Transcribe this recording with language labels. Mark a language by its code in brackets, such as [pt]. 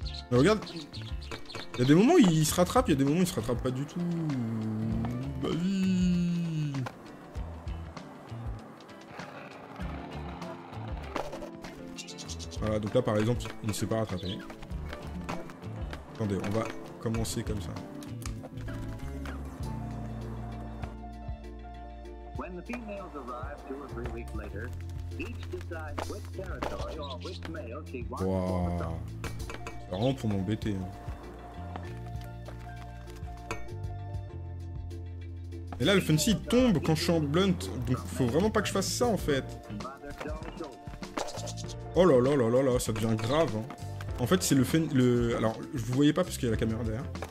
[fr] Mais regarde, il y a des moments où il se rattrape, il y a des moments où il se rattrape pas du tout. Vas-y. Donc là, par exemple, il ne s'est pas rattrapé. Attendez, on va commencer comme ça. [en] When the females arrive 2 or 3 weeks later, each decides which territory or which male she wants to conquer. [fr] C'est vraiment pour m'embêter. Hein. Et là, le Funcy tombe quand je suis en blunt, donc faut vraiment pas que je fasse ça en fait. Oh là là là là là, ça devient grave. Hein. En fait, c'est le alors, je vous voyais pas parce qu'il y a la caméra derrière.